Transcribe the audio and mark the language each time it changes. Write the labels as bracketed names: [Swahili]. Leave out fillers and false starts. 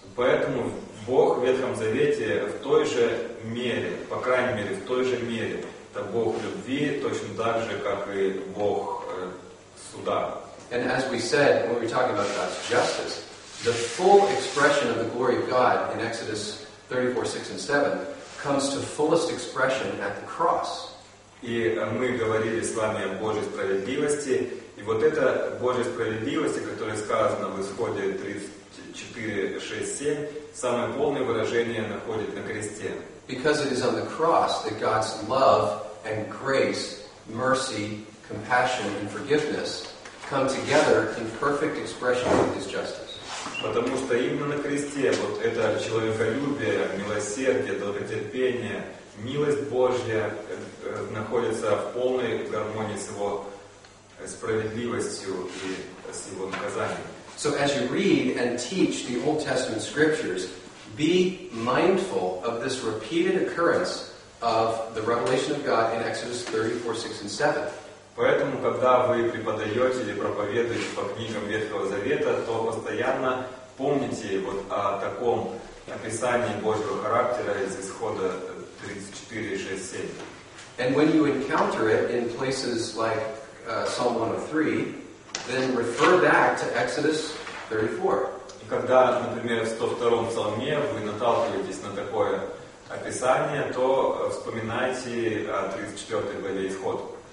[Russian] Поэтому Бог в Ветхом Завете в той же мере, по крайней мере, в той же мере, это Бог любви, точно так же, как и Бог суда. [English] And as we said, when we're talking about God's justice, the full expression of the glory of God in Exodus 34:6-7 comes to fullest expression at the cross. [Russian] И мы говорили с вами о Божьей справедливости, и вот эта Божья справедливость, которая сказана в Исходе 4:6-7, самое полное выражение находит на кресте. [English] Because it is on the cross that God's love and grace, mercy, compassion, and forgiveness come together in perfect expression of his justice. [Russian] Потому что именно на кресте вот это человеколюбие, милосердие, долготерпение, милость Божья находятся в полной гармонии с его справедливостью и с его наказанием. [English] So as you read and teach the Old Testament scriptures, be mindful of this repeated occurrence of the revelation of God in Exodus 34:6-7. [Russian] Поэтому, когда вы преподаете или проповедуете по книгам Ветхого Завета, то постоянно помните вот о таком описание Божьего характера из Исхода 34:6-7. [English] And when you encounter it in places like Psalm 103, then refer back to Exodus 34. [Russian] И когда, например, в 102-м псалме вы наталкиваетесь на такое описание, то вспоминайте 34-й главе Исхода.